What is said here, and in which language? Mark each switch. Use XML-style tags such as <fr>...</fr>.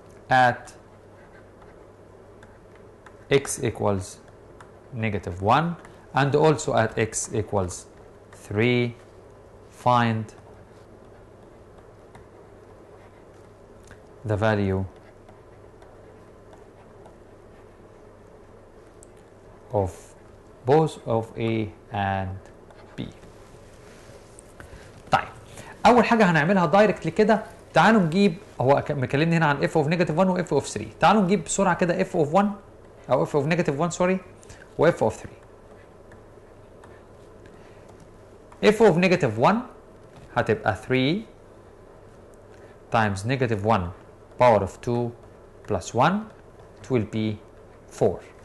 <en>at x equals negative 1 and also at x equals 3, find the value of both of a and b.</en> <ar>طيب اول حاجه هنعملها دايركتلي كده, تعالوا نجيب, هو مكلمني هنا عن</ar> <en>f of negative 1</en> <ar>و</ar> <en>f of 3,</en> <ar>تعالوا نجيب بسرعه كده</ar> <en>f of 1</en> <ar>أو</ar> <en>f of negative 1 sorry</en> <ar>و f of 3.</ar> <en>f of negative 1</en> <ar>هتبقى</ar> <en>3 times negative 1 power of 2 plus 1, it will be 4.</en>